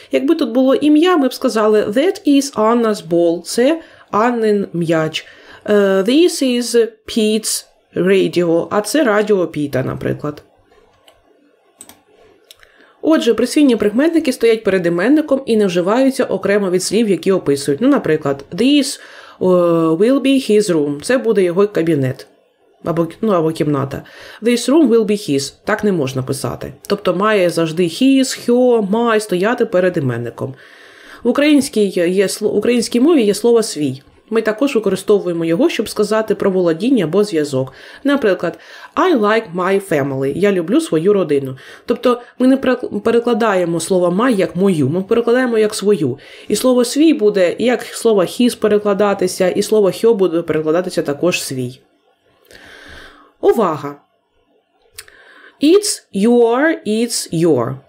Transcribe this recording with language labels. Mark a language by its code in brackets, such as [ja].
[uk] Якби тут було ім'я, ми б сказали [en] that is Anna's ball. [uk] Це Аннин м'яч. [en] This is Pete's [uk] радіо, а це радіо Піта, наприклад. Отже, присвійні прикметники стоять перед іменником і не вживаються окремо від слів, які описують. Ну, наприклад, [en] this will be his room. [uk] Це буде його кабінет або, ну, або кімната. [en] This room will be his. [uk] Так не можна писати. Тобто має завжди his, her, my стояти перед іменником. В українській мові є слово «свій». Ми також використовуємо його, щоб сказати про володіння або зв'язок. [en] Наприклад, I like my family. [uk] Я люблю свою родину. Тобто, ми не перекладаємо слово my як мою, ми перекладаємо як свою. І слово свій буде як слово his перекладатися, і слово her буде перекладатися також свій. [en] Увага! It's your.